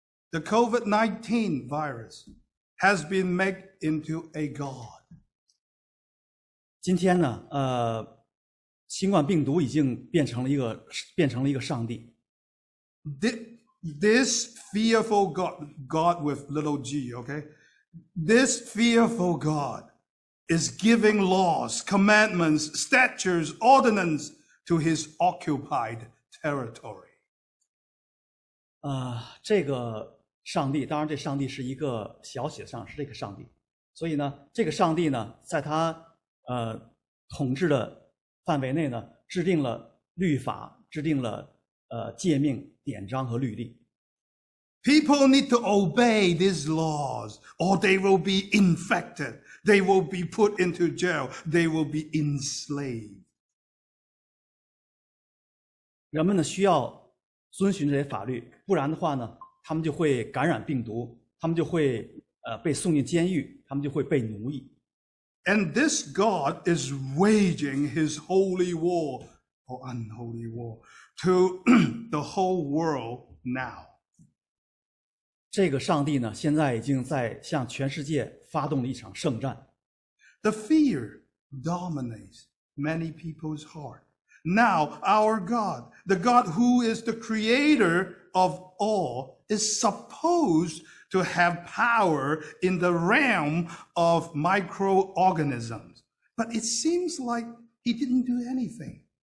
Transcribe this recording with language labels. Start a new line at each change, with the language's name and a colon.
English: The COVID-19 virus has been made into a god.
Chinese: 今天呢，新冠病毒已经变成了一个上帝。
English: This fearful god with little g, okay? This fearful god is giving laws, commandments, statutes, ordinances to his occupied territory.
Chinese: 这个。上帝，当然这上帝是一个小写上是这个上帝，所以呢这个上帝呢在他统治的范围内呢制定了律法，制定了诫命、典章和律例。
English: People need to obey these laws or they will be infected, they will be put into jail, they will be enslaved.
Chinese: 人们呢需要遵循这些法律，不然的话呢他们就会感染病毒，他们就会被送进监狱，他们就会被奴役。
English: And this God is waging his holy war or unholy war to the whole world now.
Chinese: 这个上帝呢，现在已经在向全世界发动了一场圣战。
English: The fear dominates many people's heart. Now our God, the God who is the creator of all,is supposed to have power in the realm of microorganisms. But it seems like he didn't do anything.